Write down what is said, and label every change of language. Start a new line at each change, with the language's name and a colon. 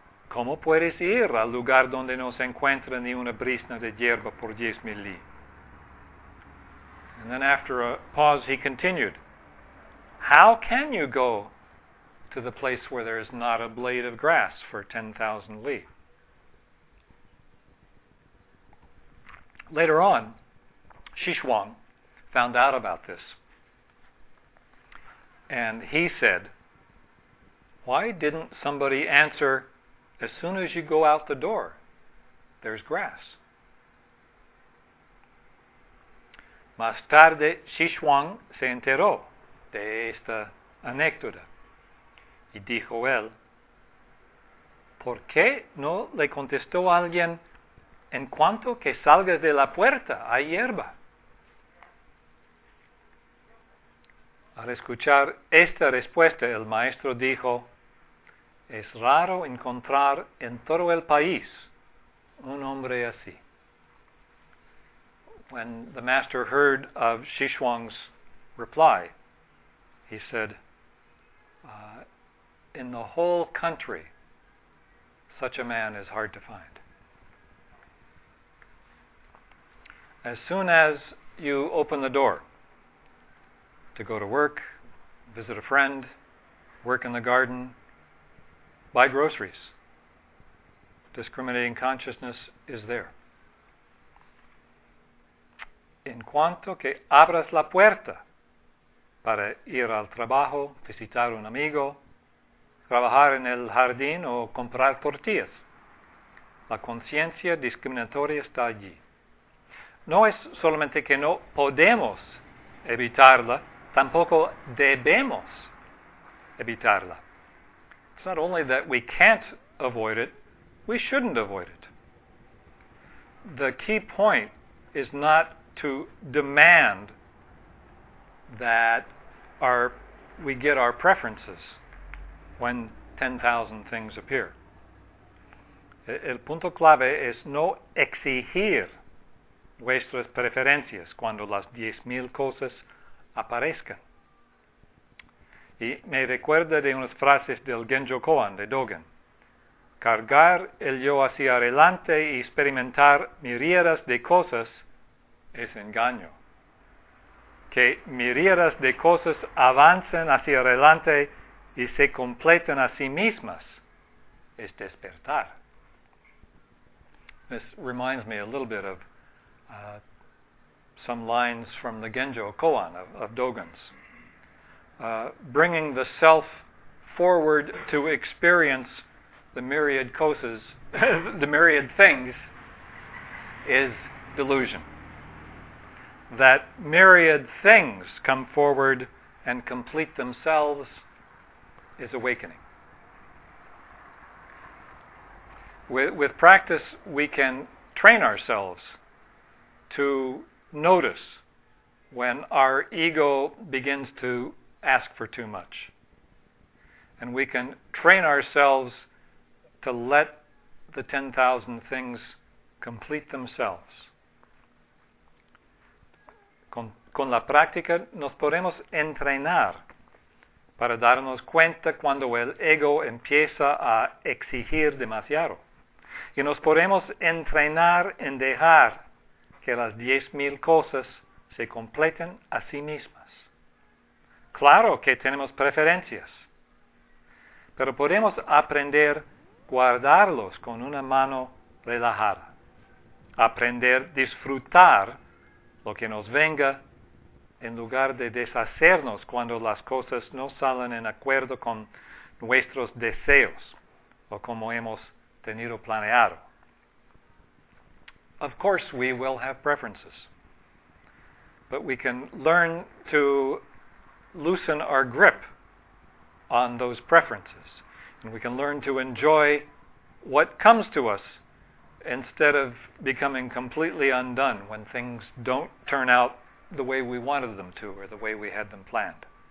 Spanish: ¿Cómo puedes ir al lugar donde no se encuentra ni una brizna de hierba por 10,000 li?
English: And then after a pause, he continued. How can you go to the place where there is not a blade of grass for 10,000 li? Later on, Shishuang found out about this. And he said, why didn't somebody answer, as soon as you go out the door, there's grass?
Spanish: Más tarde, Shishuang se enteró de esta anécdota. Y dijo él, ¿por qué no le contestó alguien, en cuanto que salgas de la puerta, hay hierba? Al escuchar esta respuesta, el maestro dijo, es raro encontrar en todo el país un hombre así.
English: When the master heard of Shishuang's reply, he said, in the whole country, such a man is hard to find. As soon as you open the door to go to work, visit a friend, work in the garden, buy groceries, discriminating consciousness is there.
Spanish: En cuanto que abras la puerta para ir al trabajo, visitar un amigo, trabajar en el jardín o comprar tortillas, la conciencia discriminatoria está allí. No es solamente que no podemos evitarla, tampoco debemos evitarla.
English: It's not only that we can't avoid it, we shouldn't avoid it. The key point is not to demand that we get our preferences when 10,000 things appear.
Spanish: El punto clave es no exigir vuestras preferencias cuando las 10,000 cosas aparezcan. Y me recuerda de unas frases del Genjo Koan de Dogen. Cargar el yo hacia adelante y experimentar miríadas de cosas es engaño. Que miríadas de cosas avancen hacia adelante y se completen a sí mismas es despertar.
English: This reminds me a little bit of some lines from the Genjo Koan of Dogen's. Bringing the self forward to experience the myriad causes, the myriad things, is delusion. that myriad things come forward and complete themselves is awakening. With practice, we can train ourselves to notice when our ego begins to ask for too much. And we can train ourselves to let the 10,000 things complete themselves.
Spanish: Con la práctica nos podemos entrenar para darnos cuenta cuando el ego empieza a exigir demasiado. Y nos podemos entrenar en dejar que las 10,000 cosas se completen a sí mismas. Claro que tenemos preferencias, pero podemos aprender a guardarlos con una mano relajada. Aprender a disfrutar lo que nos venga en lugar de deshacernos cuando las cosas no salen en acuerdo con nuestros deseos o como hemos tenido planeado.
English: Of course, we will have preferences, but we can learn to loosen our grip on those preferences, and we can learn to enjoy what comes to us instead of becoming completely undone when things don't turn out the way we wanted them to or the way we had them planned.